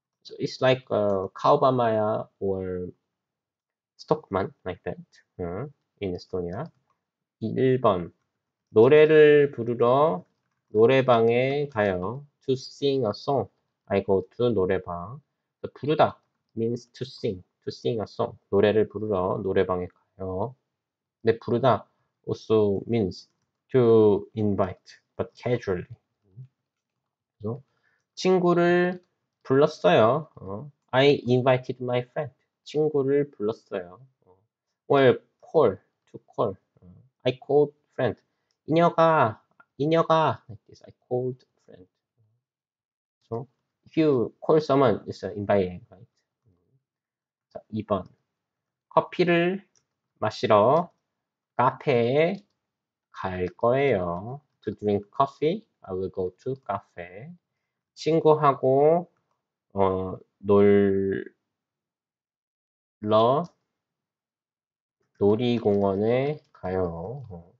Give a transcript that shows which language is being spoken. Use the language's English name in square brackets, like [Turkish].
[English] So it's like a Kaubamaya or Stockmann like that, in Estonia. [Korean] 1번. 노래를 부르러 노래방에 가요. [English] To sing a song, I go to 노래방. So 부르다 means to sing a song. [Korean] 노래를 부르러 노래방에 가요. [English] 근데 부르다 also means to invite, but casually. [Korean] 그래서 친구를 불렀어요. [English] I invited my friend. [Korean] 친구를 불렀어요. [English] Or call, to call. I called friend. 이녀가, like this. I called friend. So if you call someone, it's inviting, right? [Korean] 자, 2번. 커피를 마시러 카페에 갈 거예요. [English] To drink coffee, I will go to cafe. [Korean] 친구하고 놀이공원에 가요.